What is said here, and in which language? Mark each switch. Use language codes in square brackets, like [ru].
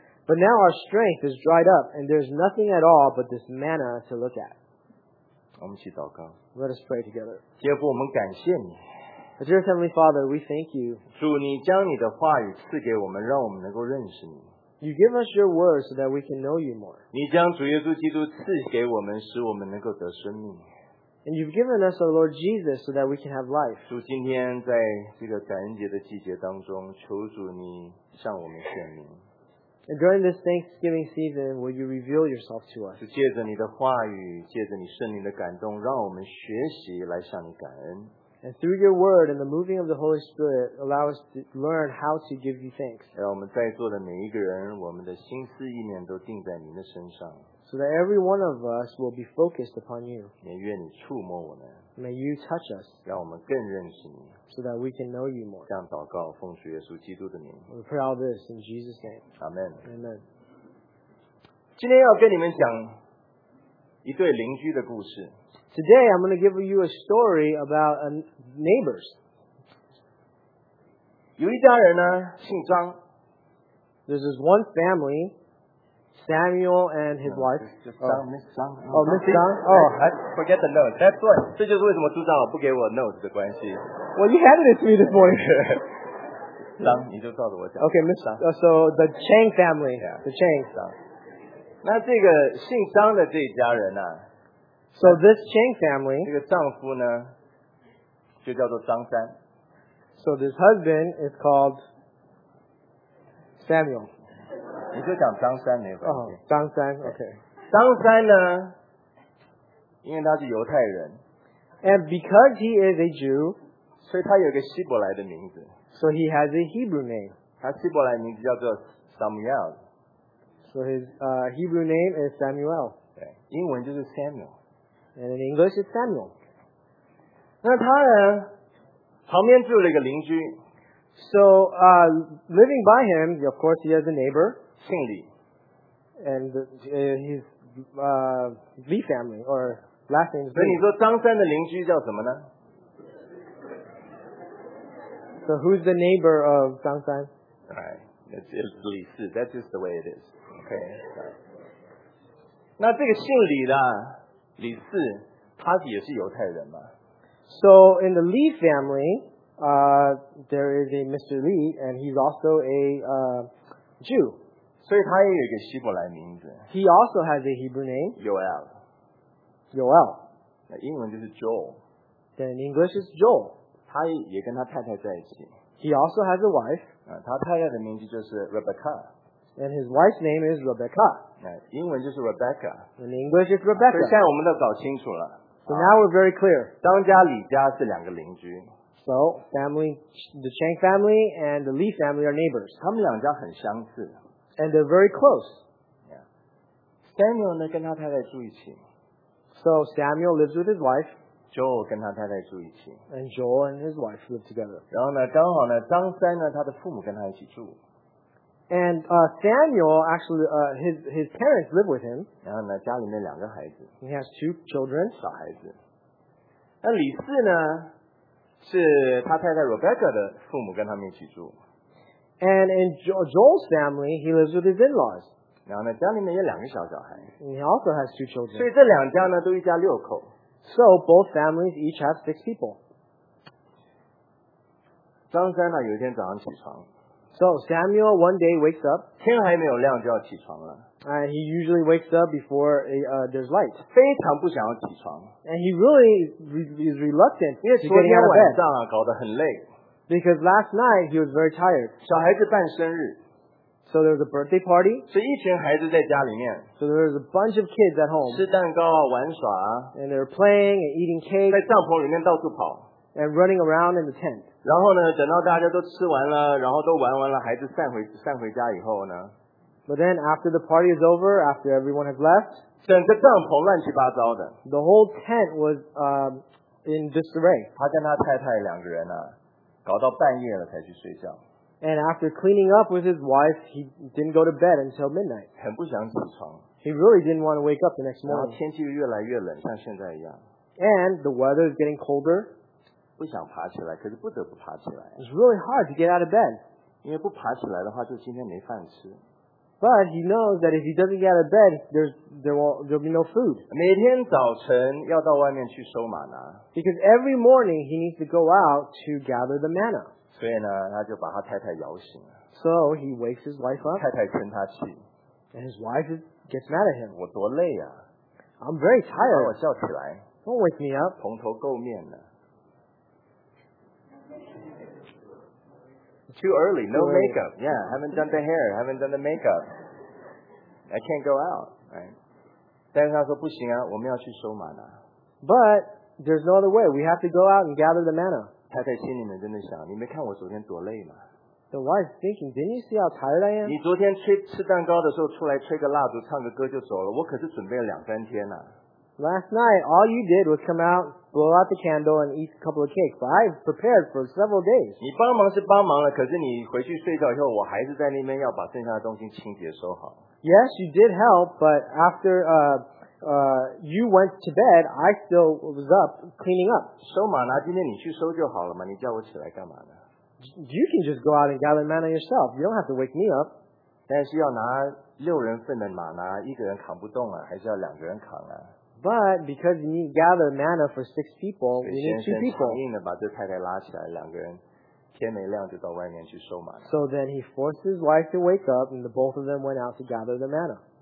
[en] But now our strength is dried up, and there's nothing at all but this manna to look at. Let us pray together. [zh] 姐夫，我们感谢你。 [en] Dear Heavenly Father, we thank you. [zh] 主，你将你的话语赐给我们，让我们能够认识你。 [en] You give us your word so that we can know you more. [zh] 你将主耶稣基督赐给我们，使我们能够得生命。 [en] And you've given us our Lord Jesus so that we can have life. [zh] 主，今天在这个感恩节的季节当中，求主你向我们显明。 [en] And during this Thanksgiving season, will you reveal yourself to us? [zh] 主，借着你的话语，借着你圣灵的感动，让我们学习来向你感恩。 [en] And through your word and the moving of the Holy Spirit, allow us to learn how to give you thanks. [zh] 让我们在座的每一个人，我们的心思意念都定在您的身上。 [en] So that every one of us will be focused upon you. [zh] 也愿你触摸我们。 [en] May you touch us. [zh] 让我们更认识你。 [en] So that we can know you more. [zh] 这样祷告，奉主耶稣基督的名。 [en] We pray all this in Jesus' name. Amen. Amen. [zh] 今天要跟你们讲一对邻居的故事。 [en] Today, I'm going to give you a story about neighbors. [zh] 有一家人呢，姓张。 [en] There's this one family, Samuel and his wife. Forget the note. That's right. [zh] 这就是为什么朱长老不给我 note 的关系。 [en] Well, you handed it to me this morning. [zh] 张，你就照着我讲。 [en] Okay, Miss Zhang. So the Chang family. Yeah. The Chang. [zh] 那这个姓张的这一家人呢？ [en] So this Chang family, [zh] 这个丈夫呢，就叫做张三。 [en] So this husband is called Samuel. [zh] 你就讲张三没关系。张三 ，OK。张三呢，因为他是犹太人 [en] ，and because he is a Jew, [zh] 所以他有一个希伯来的名字。 [en] So he has a Hebrew name. [zh] 他希伯来名字叫做 Samuel. [en] So his Hebrew name is Samuel. [zh] 对，英文就是 Samuel。 [en] And in English, it's Samuel. [zh] 那他呢？旁边住了一个邻居。 [en] So, living by him, of course, he has a neighbor. [zh] 姓李。 [en] And his Lee family, or last name is Lee. [zh] 所以你说张三的邻居叫什么呢？ [en] So who's the neighbor of 张三？ Alright, it's Lee 四.That's just the way it is. Okay. [zh] 那这个姓李的李四，他也是犹太人嘛。 [en] So in the Lee family, there is a Mr. Lee, and he's also a Jew. [zh] 所以他也有一个希伯来名字。 [en] He also has a Hebrew name. Yoel. Yoel. [zh] 那英文就是 Joel. [en] Then in English is Joel. [zh] 他也跟他太太在一起。 [en] He also has a wife. [zh] 他太太的名字就是 Rebecca. [en] And his wife's name is Rebecca. [zh] 英文就是 Rebecca. [en] In English is Rebecca. [zh] 所以现在我们都搞清楚了。 [en] So now we're very clear. [zh] 张家李家是两个邻居。 [en] So family, the Chang family and the Lee family are neighbors. [zh] 他们两家很相似。 [en] And they're very close. Yeah. [zh] Samuel 呢跟他太太住一起。 [en] So Samuel lives with his wife. [zh] Joel 跟他太太住一起。 [en] And Joel and his wife live together. [zh] 然后呢刚好呢张三呢他的父母跟他一起住。 [en] And Samuel actually, his parents live with him. [zh] 然后呢，家里面两个孩子。 [en] He has two children. [zh] 小孩子。那李四呢，是他太太 Rebecca 的父母跟他们一起住。 [en] And in Joel's family, he lives with his in-laws. [zh] 然后呢，家里面有两个小小孩。 [en] He also has two children. [zh] 所以这两家呢，都一家六口。 [en] So both families each have six people. [zh] 张三呢，有一天早上起床。 [en] So Samuel one day wakes up. [zh] 天还没有亮就要起床了。 [en] And he usually wakes up before there's light. [zh] 非常不想要起床。 [en] And he really is reluctant to get out of bed. [zh] 因为昨天晚上啊，搞得很累。 [en] Because last night he was very tired. [zh] 小孩子办生日。 [en] So there was a birthday party. [zh] 是一群孩子在家里面。 [en] So there was a bunch of kids at home. [zh] 吃蛋糕玩耍。 [en] And they were playing and eating cake. [zh] 在帐篷里面到处跑。 [en] And running around in the tent. [zh] 然后呢，等到大家都吃完了，然后都玩完了，孩子散回家以后呢。 [en] But then after the party is over, after everyone has left. [zh] 整个帐篷乱七八糟的。 [en] The whole tent was in disarray. [zh] 他跟他太太两个人啊，搞到半夜了才去睡觉。 [en] And after cleaning up with his wife, he didn't go to bed until midnight. [zh] 很不想起床。 [en] He really didn't want to wake up the next morning. [zh] 然后天气越来越冷，像现在一样。 [en] And the weather is getting colder. [zh] 不想爬起来，可是不得不爬起来。 [en] It's really hard to get out of bed. [zh] 因为不爬起来的话，就今天没饭吃。 [en] But he knows that if he doesn't get out of bed, there'll be no food. [zh] 每天早晨要到外面去收玛拿。 [en] Because every morning he needs to go out to gather the manna. [zh] 所以呢，他就把他太太摇醒了。 [en] So he wakes his wife up. [zh] 太太劝他去。 [en] And his wife gets mad at him. [zh] 我多累啊。 [en] I'm very tired. [zh] 把我叫起来。 [en] Don't wake me up. [zh] 蓬头垢面的。 [en] Too early, no makeup. Yeah, haven't done the hair, haven't done the makeup. I can't go out, right? [zh] 但是他说不行啊，我们要去收玛拿。 [en] But there's no other way. We have to go out and gather the manna. [zh] 太太心里面真的想，你没看我昨天多累吗？ [en] The wife thinking, didn't you see how tired I am? [zh] 你昨天吃蛋糕的时候出来吹个蜡烛，唱个歌就走了，我可是准备了两三天啊。 [en] Last night, all you did was come out, blow out the candle, and eat a couple of cakes. But I prepared for several days. [zh] 你帮忙是帮忙了，可是你回去睡觉以后，我还是在那边要把剩下的东西清洁收好。 [en] Yes, you did help, but after you went to bed, I still was up cleaning up. [zh] 收玛拿，今天你去收就好了嘛，你叫我起来干嘛呢？ [en] You can just go out and gather manna yourself. You don't have to wake me up. [zh] 但是要拿六人份的玛拿，一个人扛不动啊，还是要两个人扛啊。 [en] But because you need to gather manna for six people, we need two people. [zh] 硬的把这太太拉起来，两个人天没亮就到外面去收玛拿。 [en] So then he forced his wife to wake up, and the both of them went out to gather the manna.